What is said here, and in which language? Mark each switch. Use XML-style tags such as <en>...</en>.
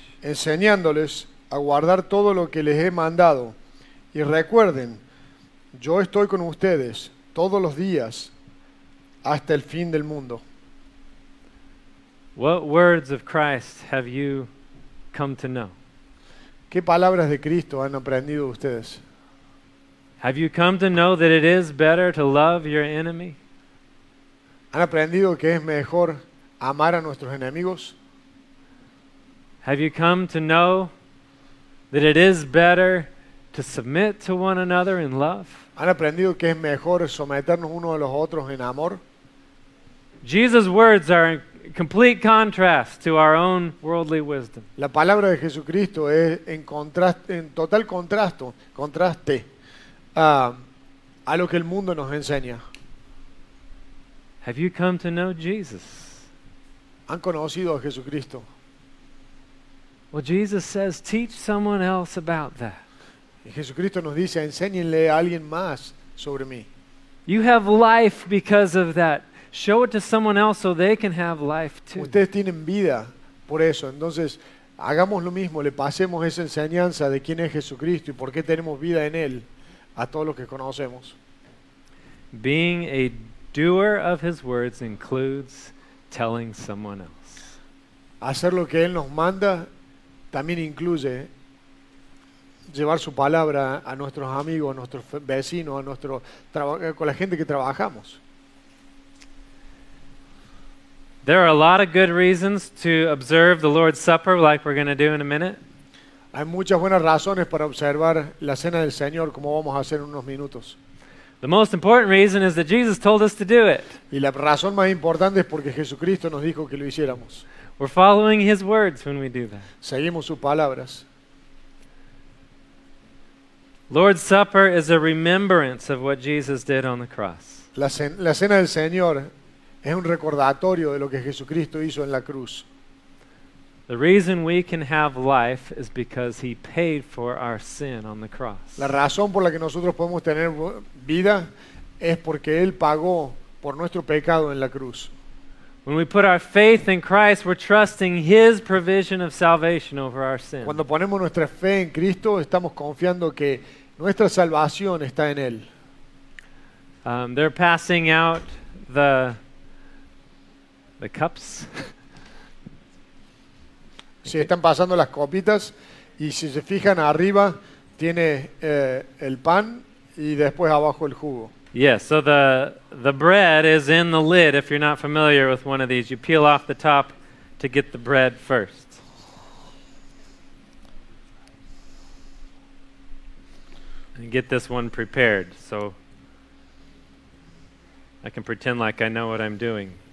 <es>Enseñándoles a guardar todo lo que les he mandado, y recuerden, yo estoy con ustedes todos los días hasta el fin del mundo.</es> <en>What words of Christ have you come to know?</en> <es>¿Qué palabras de Cristo han aprendido ustedes?</es> <en>Have you come to know that it is better to love your enemy?</en> <es>¿Han aprendido que es mejor amar a nuestros enemigos?</es> <en>Have you come to know that it is better to submit to one another in love?</en> <es>¿Han aprendido que es mejor someternos unos a los otros en amor?</es> <en>Jesus' words are complete contrast to our own worldly wisdom.</en> <es>La palabra de Jesucristo es en total contraste a lo que el mundo nos enseña.</es> <en>Have you come to know Jesus?</en> <es>¿Han conocido a Jesucristo?</es> <en>Well, Jesus says, teach someone else about that.</en> <es>Y Jesucristo nos dice, enséñenle a alguien más sobre mí.</es> <en>You have life because of that. Show it to someone else so they can have life too.</en> <es>Ustedes tienen vida por eso. Entonces, hagamos lo mismo, le pasemos esa enseñanza de quién es Jesucristo y por qué tenemos vida en él a todos los que conocemos.</es> <en>Being a doer of his words includes telling someone else.</en> <es>Hacer lo que él nos manda también incluye llevar su palabra a nuestros amigos, a nuestros vecinos, a nuestro con la gente que trabajamos.</es> <en>There are a lot of good reasons to observe the Lord's Supper, like we're going to do in a minute.</en> <es>Hay muchas buenas razones para observar la Cena del Señor, como vamos a hacer en unos minutos.</es> <en>The most important reason is that Jesus told us to do it.</en> <es>Y la razón más importante es porque Jesucristo nos dijo que lo hiciéramos.</es> <en>We're following His words when we do that.</en> <es>Seguimos sus palabras.</es> <en>Lord's Supper is a remembrance of what Jesus did on the cross.</en> <es>La Cena del Señor es un recordatorio de lo que Jesucristo hizo en la cruz.</es> <en>The reason we can have life is because he paid for our sin on the cross.</en> <es>La razón por la que nosotros podemos tener vida es porque él pagó por nuestro pecado en la cruz.</es> <en>When we put our faith in Christ, we're trusting his provision of salvation over our sin.</en> <es>Cuando ponemos nuestra fe en Cristo, estamos confiando que nuestra salvación está en él.</es> <en>They're passing out the cups.</en> <es>Sí, están pasando las copitas Y si se fijan arriba tiene el pan y después abajo el jugo.</es> <en>Yes, so the bread is in the lid. If you're not familiar with one of these, you peel off the top to get the bread first. And get this one prepared so I can pretend like I know what I'm doing.</en>